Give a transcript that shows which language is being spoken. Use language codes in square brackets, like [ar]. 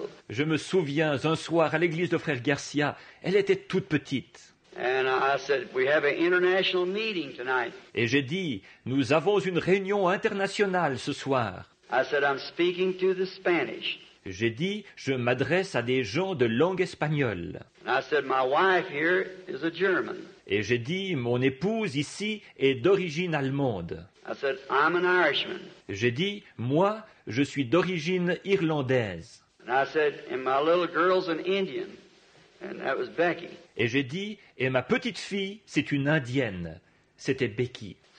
[fr] Je me souviens un soir à l'église de frère Garcia, elle était toute petite. [en] And I said, we have an international meeting tonight. [fr] Et j'ai dit, nous avons une réunion internationale ce soir. [en] I said, I'm speaking to the Spanish. [fr] J'ai dit, je m'adresse à des gens de langue espagnole. [en] I said, my wife here is a German. [fr] Et j'ai dit, mon épouse ici est d'origine allemande. [en] I said, I'm an Irishman. [fr] J'ai dit, moi, je suis d'origine irlandaise. [en] And I said, and my little girl's an Indian. And that was Becky. [fr] Et j'ai dit, et ma petite fille, c'est une indienne. C'était Becky.